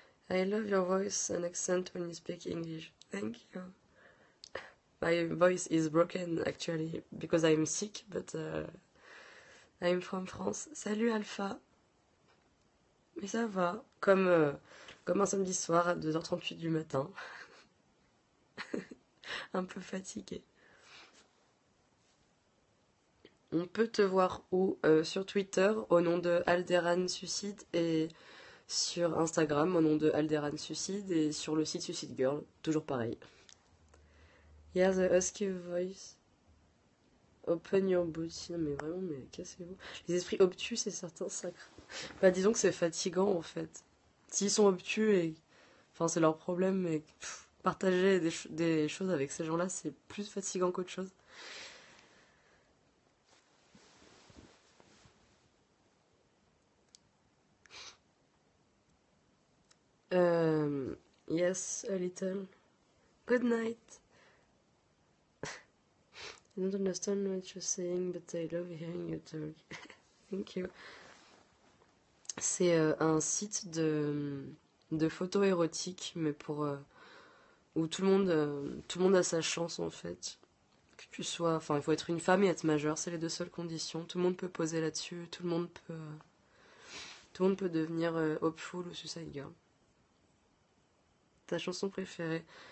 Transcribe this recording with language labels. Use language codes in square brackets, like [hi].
[en] I love your voice and accent when you speak English. Thank you. My voice is broken actually because I'm sick, but I'm from France. [fr] Salut Alpha. Mais ça va, comme un samedi soir à 2h38 du matin. Un peu fatigué. On peut te voir où? Sur Twitter au nom de Alderan Suicide et sur Instagram au nom de Alderan Suicide et sur le site Suicide Girl, toujours pareil. [en] Yeah, the husky voice. Open your booty. [fr] Non, mais vraiment, mais cassez-vous. Les esprits obtus, c'est certain, sacré. Bah, disons que c'est fatigant, en fait. S'ils sont obtus et. Enfin, c'est leur problème, mais. Pff, partager des choses avec ces gens-là, c'est plus fatigant qu'autre chose. [en] Yes, a little. Good night. I don't understand what you're saying, but I love hearing you talk. Thank you. [fr] C'est un site de photos érotiques, mais pour où tout le monde a sa chance en fait. Que tu sois, enfin, il faut être une femme et être majeure, c'est les deux seules conditions. Tout le monde peut poser là-dessus, tout le monde peut devenir hopeful ou suicide girl. ta chanson préférée?